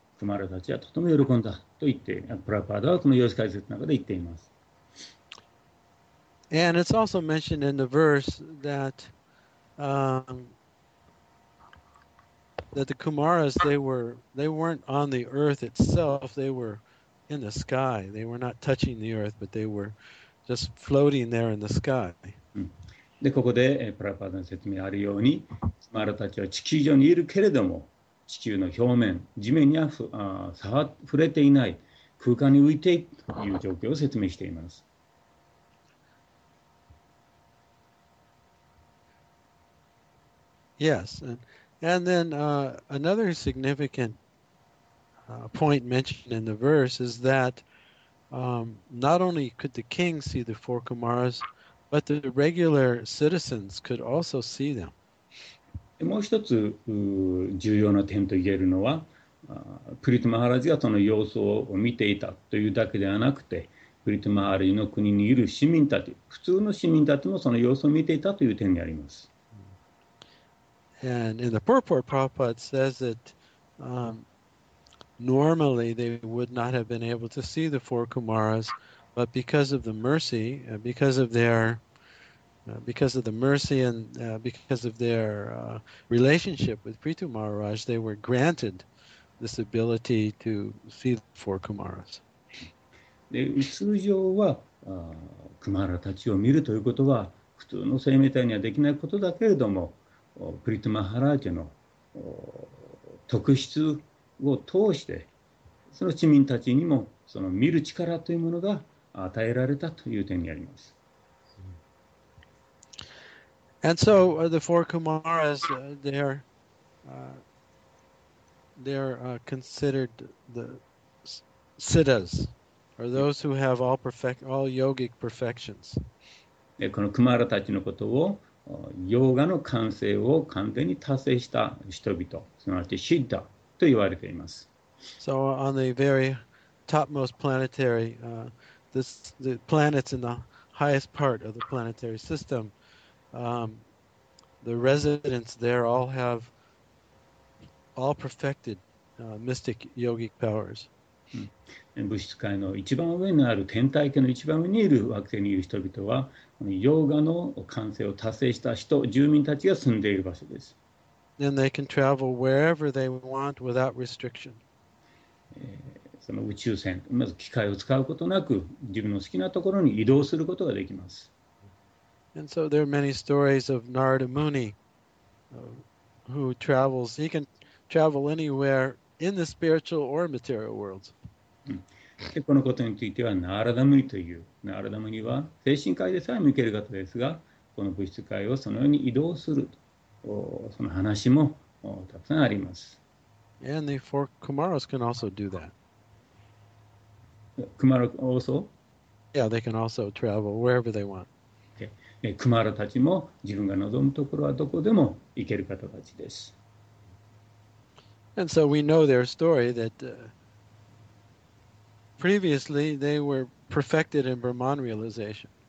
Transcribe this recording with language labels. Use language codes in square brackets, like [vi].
[ja] クマラたちはとても喜んだと言って、プラパーダはこの様子解説の中で言っています。 [en] And it's also mentioned in the verse that, that the Kumaras, they weren't on the earth itself, they were in the sky. They were not touching the earth, but they were just floating there in the sky. [ja] で、ここでプラパーダの説明あるように、クマラたちは地球上にいるけれども、地球の表面、地面には触れていない、空間に浮いているという状況を説明しています。 [en] Yes, and then another significant point mentioned in the verse is that not only could the king see the four Kumaras, but the regular citizens could also see them. [ja] もう一つ重要な点と言えるのは、プリティマハラジがその様子を見ていたというだけではなくて、プリティマハラジの国にいる市民たち、普通の市民たちもその様子を見ていたという点にあります。 [en] And in the purport, Prabhupada says that normally they would not have been able to see the four Kumaras, but because of the mercy, because of their relationship with Prithu Maharaj, they were granted this ability to see the four Kumaras. [ja] で、通常は、クマラたちを見るということは普通の生命体にはできないことだけれども、プリトゥ・マハラージの特質を通して、その市民たちにもその見る力というものが与えられたという点にあります。 [en] And so the four Kumaras, they're considered the siddhas, or those who have all yogic perfections. [ja] このクマラたちのことを、ヨガの完成を完全に達成した人々、すなわちシッダと言われています。 [en] So on the very topmost planetary, the planets in the highest part of the planetary system, the residents there all have all perfected mystic yogic powers. [ja] 物質界の一番上にある天体系の一番上にいる惑星にいる人々は、このヨーガの完成を達成した人、住民たちが住んでいる場所です。 [en] And they can travel wherever they want without restriction. [ja] その宇宙船、まず機械を使うことなく、自分の好きなところに移動することができます。 [en] And so there are many stories of Narada Muni who travels. He can travel anywhere in the spiritual or material worlds. [ja] で、このことについては、ナーラダムニという、ナーラダムニは精神界でさえも行ける方ですが、この物質界をそのように移動する、その話もたくさんあります。 [en] And the four Kumaras can also do that. Kumara also? Yeah, they can also travel wherever they want. [ja] クマラたちも自分が望むところはどこでも行ける方たちです。 [en] And so we know their story that previously they were perfected in Brahman realization.